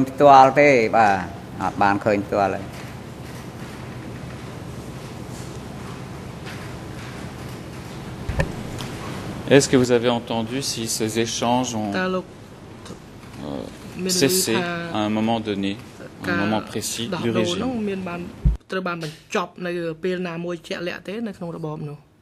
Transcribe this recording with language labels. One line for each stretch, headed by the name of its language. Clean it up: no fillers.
Khmer: បាទខ្ញុំធ្លាប់តែឮទេអត់បានឃើញផ្ទាល់ទេបាទអត់បានឃើញផ្ទាល់ទេ
French: Est-ce que vous avez entendu si ces échanges ont cessé à un moment donné, à un moment précis du régime?
Khmer: ត្រូវបានបញ្ចប់នៅពេលណាមួយជាក់លាក់ទេនៅក្នុងរបបនោះ